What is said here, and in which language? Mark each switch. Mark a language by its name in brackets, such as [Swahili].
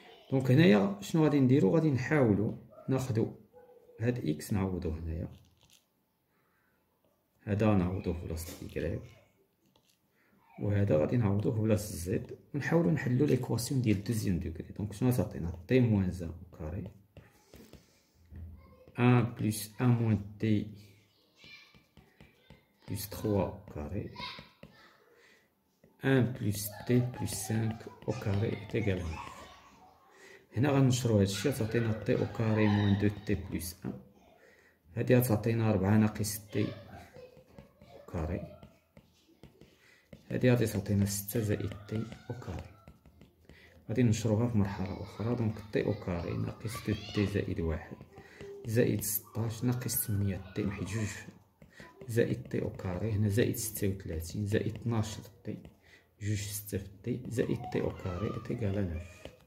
[Arabic] دونك هنايا شنو غادي نديرو، غادي نحاولو ناخدو هاد إكس نعوضو هنايا، هدا نعوضوه بلاصة Y وهدا غادي نعوضوه بلاصة Z، ونحاولو نحلو ليكواسيون ديال دوزيام دوغري. دونك شنو غتعطينا، [French] تي موان زان أو كاري 1 plus 1 moins t plus 3 au carré 1 plus t plus 5 au carré est égal à 9. [Arabic] هنا غنشرو هادشي، تعطينا [French] t au carré moins 2t plus 1، [Arabic] هادي غتعطينا 4 ناقص [French] t au carré، [Arabic] هادي غادي تعطينا 6 زائد t au carré. غادي نشروها في مرحلة أخرى، دونك [French] t au carré [Arabic] ناقص 2t زائد 1 زائد 16 ناقص 8 تي واحد جوج زائد [French] تي او كاري، [Arabic] هنا زائد 36 زائد 12 تي جوج 6 في تي زائد تي او كاري ايكال 9.